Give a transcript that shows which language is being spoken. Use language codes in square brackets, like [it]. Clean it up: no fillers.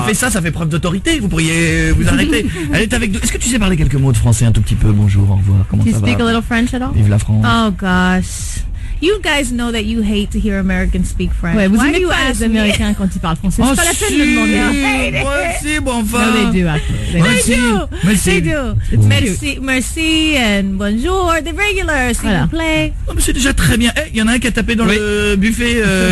[fr] Ça fait preuve d'autorité, vous pourriez vous arrêter. Elle est avec nous. Est-ce que tu sais parler quelques mots de français un tout petit peu? Bonjour, au revoir, comment [en] you [fr] ça va? [en] Do you speak a little French at all? [fr] Vive la France. [en] Oh gosh. You guys know that you hate to hear Americans speak French. [fr] Ouais, vous aimez pas les Américains quand ils parlent français. C'est pas la peine de demander. Moi aussi, bon enfin. [en] No, they do, They do. Merci and bonjour. The regulars, [fr] s'il vous plaît. C'est déjà très bien. Il y en a un qui a tapé dans le buffet.